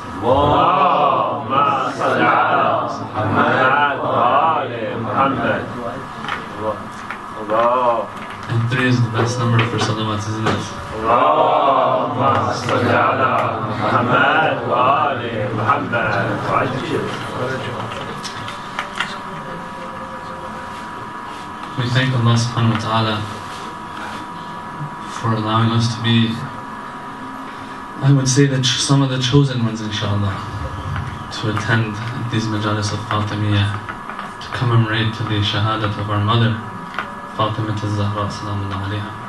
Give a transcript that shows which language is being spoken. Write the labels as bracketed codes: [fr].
[ar] اللهم صل على محمد وآل محمد. الله. [en] And three is the best number for salawat, isn't it? [ar] اللهم صل على محمد وآل محمد. [en] We thank Allah subhanahu wa ta'ala for allowing us to be, I would say, some of the chosen ones, inshallah, to attend these majalis of Fatimiyah, to commemorate to the shahadat of our mother, Fatimah al-Zahra, salamu alayha.